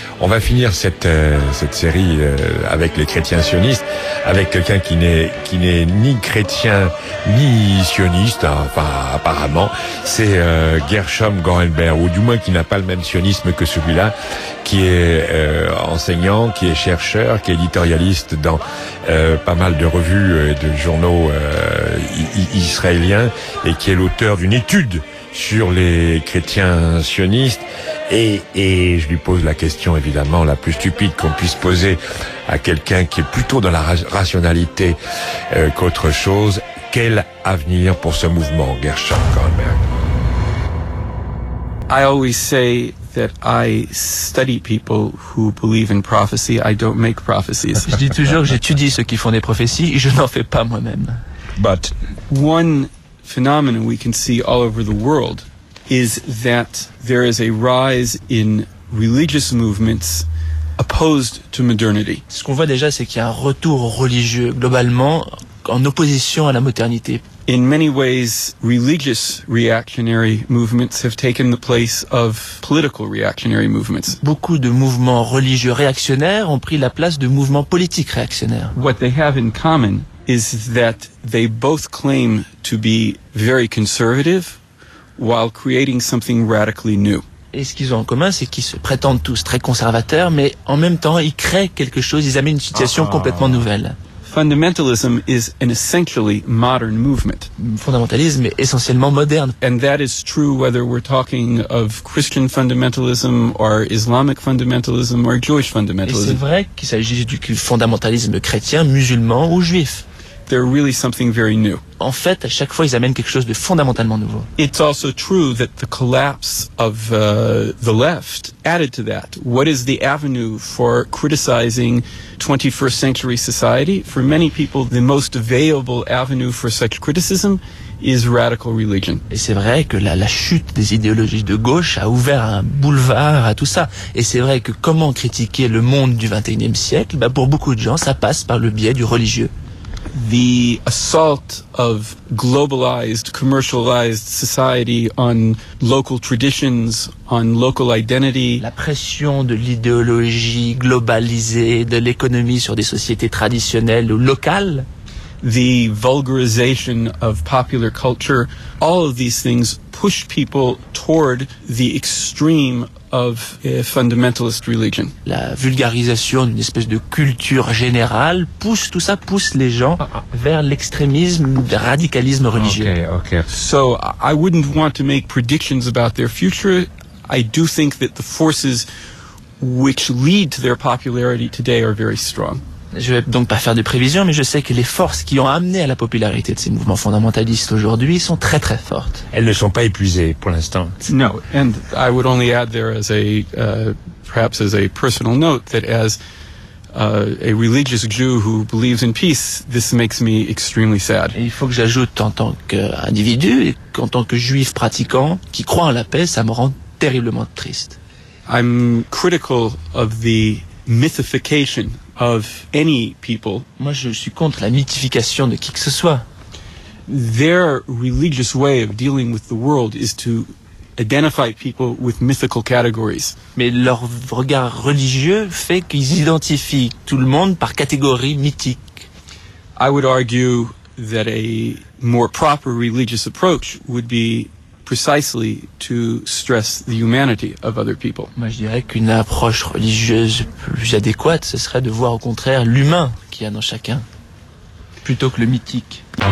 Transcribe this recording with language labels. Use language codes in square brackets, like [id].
[fr] On va finir cette série avec les chrétiens sionistes, avec quelqu'un qui n'est ni chrétien ni sioniste, hein, enfin apparemment, c'est Gershom Gorenberg, ou du moins qui n'a pas le même sionisme que celui-là, qui est enseignant, qui est chercheur, qui est éditorialiste dans pas mal de revues et de journaux israéliens, et qui est l'auteur d'une étude sur les chrétiens sionistes. Et je lui pose la question évidemment la plus stupide qu'on puisse poser à quelqu'un qui est plutôt dans la rationalité qu'autre chose. Quel avenir pour ce mouvement, Gershom Gorenberg? [en] I always say that I study people who believe in prophecy. I don't make prophecies. [fr] Je dis toujours que j'étudie ceux qui font des prophéties et je n'en fais pas moi-même. [en] But one phenomenon we can see all over the world is that there is a rise in religious movements opposed to modernity. [fr] Ce qu'on voit déjà, c'est qu'il y a un retour religieux globalement en opposition à la modernité. [en] In many ways, religious reactionary movements have taken the place of political reactionary movements. [fr] Beaucoup de mouvements religieux réactionnaires ont pris la place de mouvements politiques réactionnaires. [en] What they have in common is that they both claim to be very conservative while creating something radically new. [fr] Et ce qu'ils ont en commun, c'est qu'ils se prétendent tous très conservateurs, mais en même temps, ils créent quelque chose, ils amènent une situation complètement nouvelle. [en] Fundamentalism is an essentially modern movement. [fr] Fondamentalisme est essentiellement moderne. [en] And that is true whether we're talking of Christian fundamentalism or Islamic fundamentalism or Jewish fundamentalism. [fr] Et c'est vrai qu'il s'agisse du fondamentalisme chrétien, musulman ou juif. [en] They're really something very new. [fr] En fait, à chaque fois, ils amènent quelque chose de fondamentalement nouveau. [en] It's also true that the collapse of the left added to that. What is the avenue for criticizing 21st century society? For many people, the most available avenue for such criticism is radical religion. [fr] Et c'est vrai que la chute des idéologies de gauche a ouvert un boulevard à tout ça. Et c'est vrai que comment critiquer le monde du 21e siècle? Bah, pour beaucoup de gens, ça passe par le biais du religieux. [en] The assault of globalized, commercialized society on local traditions, on local identity. [fr] La pression de l'idéologie globalisée, de l'économie sur des sociétés traditionnelles ou locales. [en] The vulgarization of popular culture. All of these things push people toward the extreme of a fundamentalist religion. [fr] La vulgarisation d'une espèce de culture générale pousse les gens vers l'extrémisme, le radicalisme religieux. [en] Okay. So I wouldn't want to make predictions about their future. I do think that the forces which lead to their popularity today are very strong. [fr] Je ne vais donc pas faire de prévisions, mais je sais que les forces qui ont amené à la popularité de ces mouvements fondamentalistes aujourd'hui sont très très fortes. Elles ne sont pas épuisées pour l'instant. [en] No, and I would only add there as a perhaps as a personal note that as a religious Jew who believes in peace, this makes me extremely sad. [fr] Et il faut que j'ajoute en tant qu'individu et en tant que juif pratiquant qui croit en la paix, ça me rend terriblement triste. [en] I'm critical of the mythification of any people. [fr] Moi, je suis contre la mythification de qui que ce soit. [en] Their religious way of dealing with the world is to identify people with mythical categories. [fr] Mais leur regard religieux fait qu'ils identifient tout le monde par catégorie mythique. [en] I would argue that a more proper religious approach would be precisely to stress the humanity of other people. [fr] Moi, je dirais qu'une approche religieuse plus adéquate, ce serait de voir au contraire l'humain qu'il y a dans chacun, plutôt que le mythique.